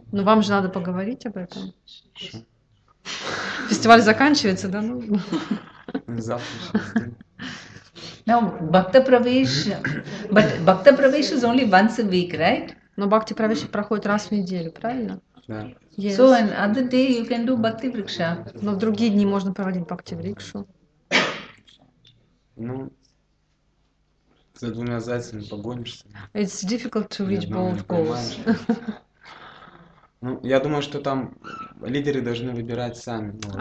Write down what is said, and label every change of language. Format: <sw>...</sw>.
<ru>Но вам же надо поговорить об этом. Фестиваль заканчивается, да?</ru> <en>Бхакти Правеш is only once a week, right?</en> <ru>Но Бхакти Правеш проходит раз в неделю, правильно? Да.</ru> <en>So on other day you can do Bhakti Vriksha.</en> <ru>Но в другие дни можно проводить Бхакти Врикшу. Ну, за двумя зайцами погонишься.</ru> <en>It's difficult to reach both goals.</en> <ru>Ну, я думаю, что там лидеры должны выбирать сами. Ну,</ru>